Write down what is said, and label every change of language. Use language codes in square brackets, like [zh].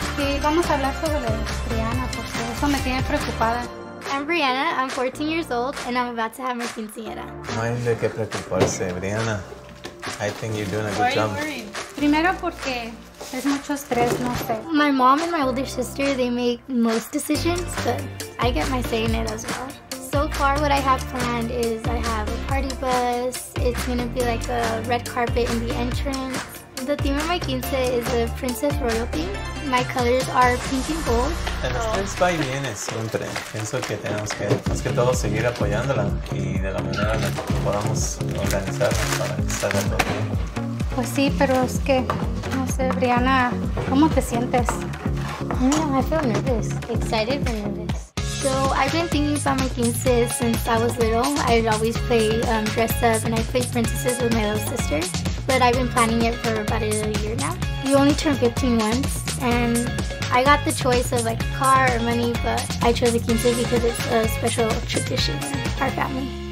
[es] Sí, vamos a hablar sobre Brianna, porque eso me tiene preocupada. [en] I'm Brianna, I'm 14 years old, and I'm about to have my quinceañera. [es] No hay de qué preocuparse, [en] Brianna. I think you're doing a good job. Why are you worried? [es] Primero porque es mucho estrés, no sé. [en] My mom and my older sister, they make most decisions, but I get my say in it as well. So far, what I have planned is I have a party bus. It's gonna be like a red carpet in the entrance. The theme of my quince is a princess royal theme. My colors are pink and gold. [es] El estrés va y viene siempre. Pienso que tenemos que, más que todo, seguir apoyándola y de la manera en la que podamos organizar para que salga todo bien. Pues sí, pero es que, no sé, Brianna, ¿cómo te sientes? [en] I don't know, I feel nervous. Excited but nervous. So I've been thinking about my quince since I was little. I would always play dress up and I played princesses with my little sister. But I've been planning it for about a year now. You only turn 15 once and I got the choice of like a car or money, but I chose a quince because it's a special tradition in our family.